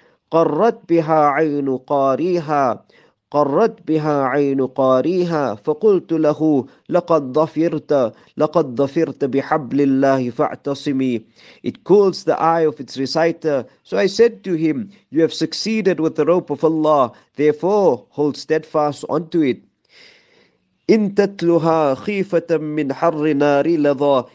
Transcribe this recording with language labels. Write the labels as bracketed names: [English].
[Arabic] قَرَّتْ بِهَا عَيْنُ قَارِيهَا قرت بها عين قاريها فقلت له لقد ظفرت بحبل الله فاعتصمي. [English] It cools the eye of its reciter. So I said to him, you have succeeded with the rope of Allah, therefore hold steadfast onto it. [Arabic] إن تتلها خيفة من حر نار لظى.